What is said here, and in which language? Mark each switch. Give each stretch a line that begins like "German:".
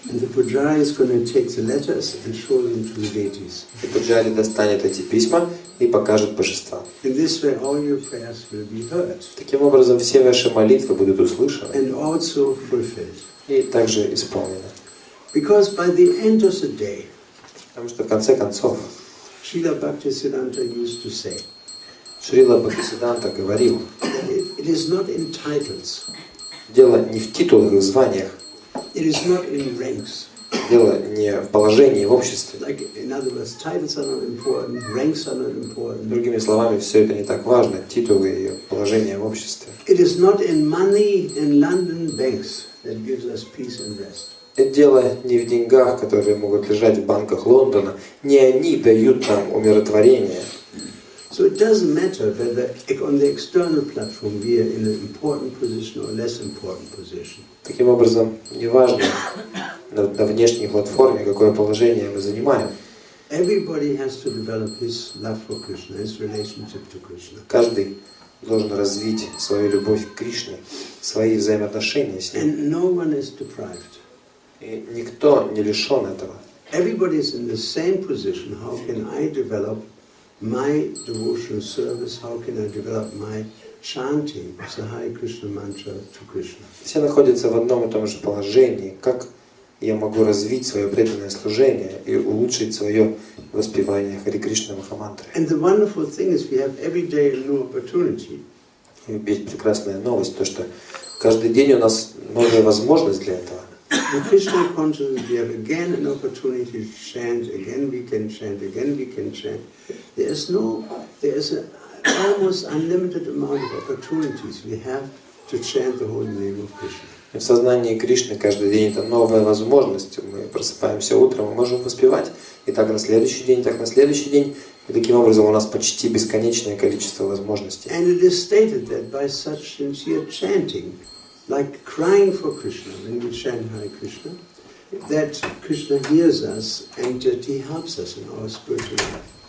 English: And the Pujari is going to take the letters and show them to the deities.
Russian: И Пуджари достанет эти письма и покажет божества.
English: In this way, all your prayers will be heard.
Russian: Таким образом, все ваши молитвы будут услышаны.
English: And also fulfilled.
Russian: И также исполнены.
English: Because by the end of the day,
Russian: потому что в конце концов,
English: Шрила Бхактисиддханта used to say,
Russian: Шрила Бхактисиддханта говорил,
English: it is not in titles,
Russian: дело не в титулах и званиях,
English: it is not in ranks,
Russian: дело не в положении в обществе.
English: Like, in other words, titles are not important, ranks are not important.
Russian: Другими словами, все это не так важно, титулы и положение в обществе.
English: It is not in money in London banks that gives us peace and rest.
Russian: Это дело не в деньгах, которые могут лежать в банках Лондона. Не они дают нам умиротворение.
English: So it doesn't matter whether on the external platform we are in an important position or less important position.
Russian: Таким образом, неважно на внешней платформе какое положение мы занимаем.
English: Everybody has to develop his love for Krishna, his relationship to Krishna.
Russian: Каждый должен развить свою любовь к Кришне, свои взаимоотношения с ним.
English: And no one is deprived.
Russian: И никто не лишен этого.
English: Everybody is in the same position. How can I develop my devotional service? How can I develop my chanting of the Hare Krishna mantra to Krishna?
Russian: Все находятся в одном и том же положении. Как я могу развить свое преданное служение и улучшить свое воспевание Хари Кришна Махамантры?
English: And the wonderful thing is we have every day a new opportunity.
Russian: И есть прекрасная новость, то что каждый день у нас новая возможность для этого.
English: In Krishna consciousness, we have again an opportunity to chant. Again, we can chant. Again, we can chant. There is an almost unlimited amount of opportunities we have to chant the holy name of Krishna.
Russian: В сознании Кришны каждый день это новая возможность. Мы просыпаемся утром, мы можем воспевать. И так на следующий день, так на следующий день. И таким образом у нас почти бесконечное количество возможностей.
English: And it is stated that by such sincere chanting. Like crying for Krishna, when we chant Hare Krishna, that Krishna hears us and that He helps us in our spiritual life.